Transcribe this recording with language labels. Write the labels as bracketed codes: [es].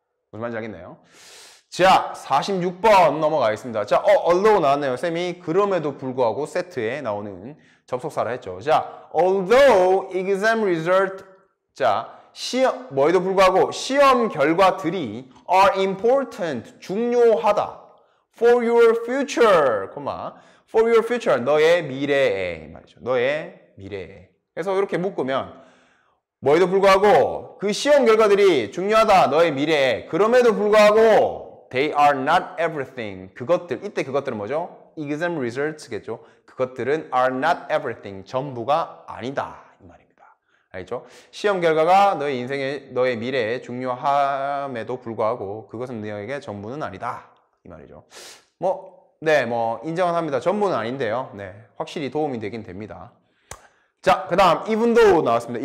[ko] 무슨 말인지 알겠네요. 자 46번 넘어가겠습니다. 자 although 나왔네요. 쌤이 그럼에도 불구하고 세트에 나오는 접속사를 했죠. 자, [en] although exam result, [ko] 자, 시험, 뭐에도 불구하고, 시험 결과들이 [en] are important, [ko] 중요하다. [en] For your future, 콤마. For your future, [ko] 너의 미래에. 말이죠. 너의 미래에. 그래서 이렇게 묶으면, 뭐에도 불구하고, 그 시험 결과들이 중요하다. 너의 미래에. 그럼에도 불구하고, [en] they are not everything. [ko] 그것들, 이때 그것들은 뭐죠? [en] exam results겠죠. [ko] 그것들은 [en] are not everything. [ko] 전부가 아니다. 이 말입니다. 알겠죠? 시험 결과가 너의 인생의 너의 미래에 중요함에도 불구하고 그것은 너에게 전부는 아니다. 이 말이죠. 뭐 네, 뭐 인정은 합니다. 전부는 아닌데요. 네. 확실히 도움이 되긴 됩니다. 자, 그다음 even though 나왔습니다.